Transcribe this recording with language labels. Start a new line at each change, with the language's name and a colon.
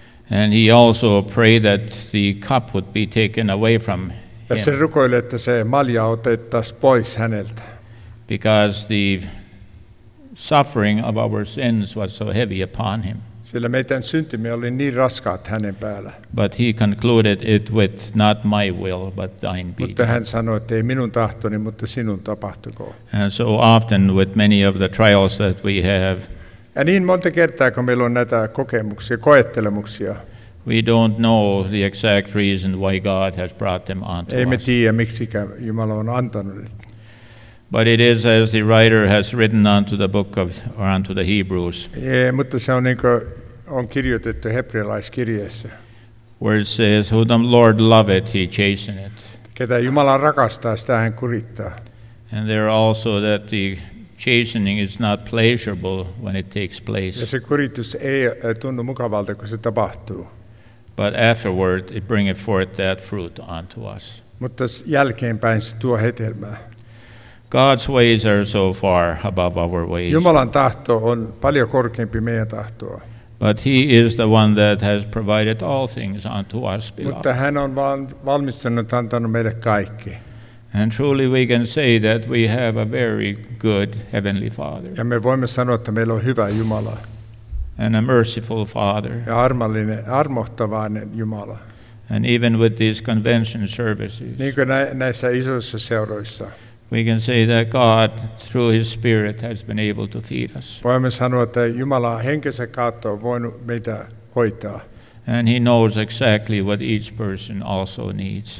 English: And he also prayed that the cup would be taken away from him.
Finnish: Ja se rukoili, että se malja otettaisiin pois häneltä.
English: Because the suffering of our sins was so heavy upon him.
Finnish: Sillä meidän syntimme oli niin raskaat hänen päällä.
English: But he concluded it with, not my will, but thine be.
Finnish: Mutta hän sanoi, että ei minun tahtoni, mutta sinun tapahtukoon.
English: And so often with many of the trials that we have,
Finnish: ja niin monta kertaa, kun meillä on näitä kokemuksia, koettelemuksia.
English: We don't know the exact reason why God has brought them onto us.
Finnish: Ei me tiedä, miksi Jumala on antanut.
English: But it is as the writer has written onto the book of, or onto the Hebrews.
Finnish: Yeah, mutta se on niin kuin on kirjoitettu hebrealaiskirjeessä.
English: Where it says, who the Lord loveth, he chasteneth.
Finnish: Ketä Jumala rakastaa, sitä hän kurittaa.
English: And there also that the chastening is not pleasurable when it takes place.
Finnish: Ja se kuritus ei tunnu mukavalta, kun se tapahtuu.
English: But afterward, it bringeth forth that fruit unto us.
Finnish: Mutta jälkeenpäin se tuo hedelmää.
English: God's ways are so far above our ways.
Finnish: Jumalan tahto on paljon korkeampi meidän tahtoa.
English: But he is the one that has provided all things unto us, beloved.
Finnish: Mutta hän on valmistanut, antanut meille kaikki.
English: And truly we can say that we have a very good heavenly father.
Finnish: Ja me voimme sanoa, että meillä on hyvä Jumala.
English: And a merciful father.
Finnish: Ja armallinen, armohtavainen Jumala.
English: And even with these convention services.
Finnish: Niin kuin näissä isoissa seuroissa.
English: We can say that God through his spirit has been able to feed us.
Finnish: Voimme sanoa, että Jumala henkensä kautta on voinut meitä hoitaa.
English: And he knows exactly what each person also needs.